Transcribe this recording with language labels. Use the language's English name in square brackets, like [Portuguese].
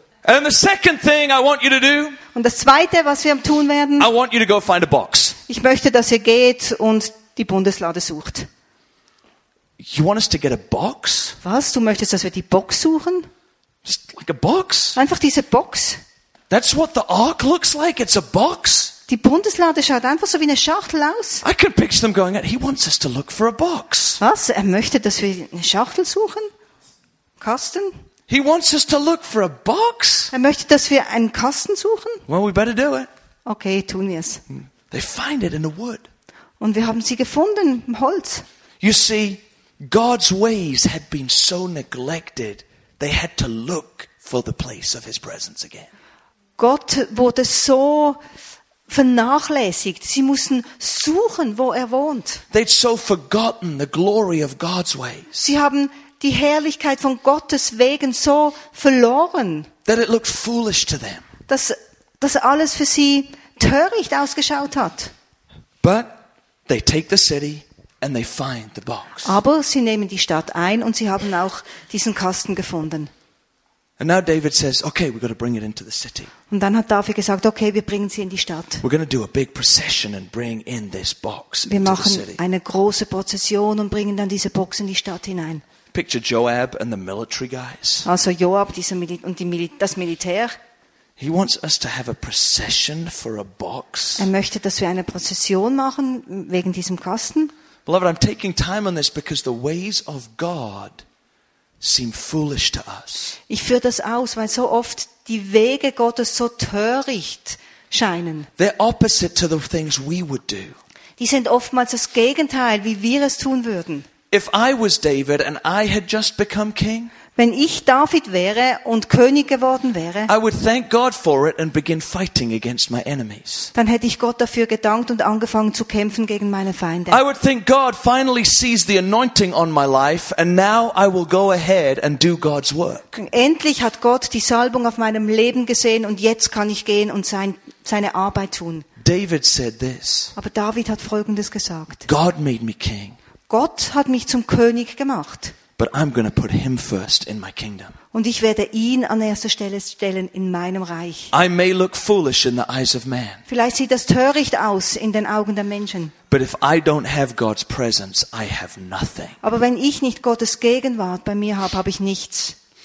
[English] And the second thing I want you to do. [German] Und das Zweite, was wir tun werden. [English] I want you to go find a box. [German] Ich möchte, dass ihr geht und die Bundeslade sucht. [English] You want us to get a box? [German] Was? Du möchtest, dass wir die Box suchen? [English] Just like a box. [German] Einfach diese Box. [English] That's what the ark looks like. It's a box. [German] Die Bundeslade schaut einfach so wie eine Schachtel aus. [English] I can picture them going out. He wants us to look for a box. [German] Was? Er möchte, dass wir eine Schachtel suchen? Kasten? [English] He wants us to look for a box. [German] Er möchte, dass wir einen Kasten suchen. [English] Well, we better do it. [German] Okay, tun wir es. [English] They find it in the wood. [German] Und wir haben sie gefunden im Holz. [English] You see, God's ways had been so neglected, they had to look for the place of His presence again. [German] Gott wurde so vernachlässigt. Sie mussten suchen, wo er wohnt. [English] They'd so forgotten the glory of God's ways. [German] Sie haben die Herrlichkeit von Gottes Wegen so verloren, [English] that it looked foolish to them. [German] Dass alles für sie töricht ausgeschaut hat. [English] But they take the city and they find the box. [German] Aber sie nehmen die Stadt ein und sie haben auch diesen Kasten gefunden. [English] And now David says, "Okay, we've got to bring it into the city." [German] Und dann hat David gesagt, okay, wir bringen sie in die Stadt. [English] We're going to do a big procession and bring in this box. [German] Wir machen eine große Prozession und bringen dann diese Box in die Stadt hinein. [English] Picture Joab and the military guys. [German] Also Joab und das Militär. [English] He wants us to have a procession for a box. [German] Er möchte, dass wir eine Prozession machen wegen diesem Kasten. [English] Beloved, I'm taking time on this because the ways of God seem foolish to us. [German] Ich führe das aus, weil so oft die Wege Gottes so töricht scheinen. [English] They're opposite to the things we would do. [German] Die sind oftmals das Gegenteil, wie wir es tun würden. [English] If I was David and I had just become king, [German] wenn ich David wäre und König geworden wäre, [English] I would thank God for it and begin fighting against my enemies. [German] Dann hätte ich Gott dafür gedankt und angefangen zu kämpfen gegen meine Feinde. [English] I would think God finally sees the anointing on my life and now I will go ahead and do God's work. [German] Endlich hat Gott die Salbung auf meinem Leben gesehen und jetzt kann ich gehen und seine Arbeit tun. [English] David said this. [German] Aber David hat Folgendes gesagt. [English] God made me king. [German] Gott hat mich zum König gemacht. [English] But I'm going to put him first in my kingdom. [German] Und ich werde ihn an erster Stelle stellen in meinem Reich. [English] I may look foolish in the eyes of man. [German] Vielleicht sieht das töricht aus in den Augen der Menschen. [English] But if I don't have God's presence, I have nothing. [German] Aber wenn ich nicht Gottes Gegenwart bei mir habe, habe ich nichts.